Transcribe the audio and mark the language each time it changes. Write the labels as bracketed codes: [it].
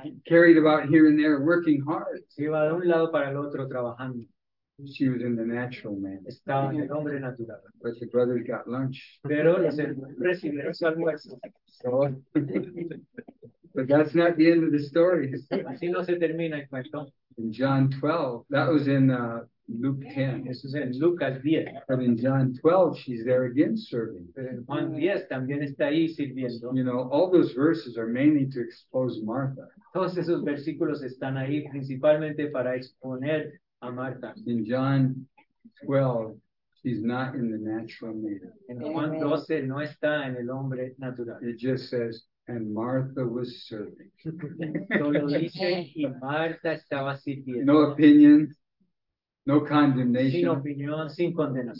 [en] Carried about here and there, working hard. [es] Se iba de un lado para el otro trabajando. [en] She was in the natural man. [es] Estaba en el hombre natural. [en] But the brothers got lunch. [es] Pero los recibieron su almuerzo. [en] So, but that's not the end of the story. [es] Así no se termina el cuento. [en] In John 12, that was in Luke 10. [es] Eso es en Lucas 10. [en] But in John 12, she's there again serving. [es] Pero Juan 10 también está ahí sirviendo. [en] You know, all those verses are mainly to expose Martha. [es] Todos esos versículos están ahí principalmente para exponer a Martha. [en] In John 12, she's not in the natural man. [es] En Juan 12 no está en el hombre natural. [en] It just says, and Martha was serving. [es] Solo dice, y Martha estaba sirviendo. [en] No opinion. No condemnation. [es] Sin opinión, sin condenación.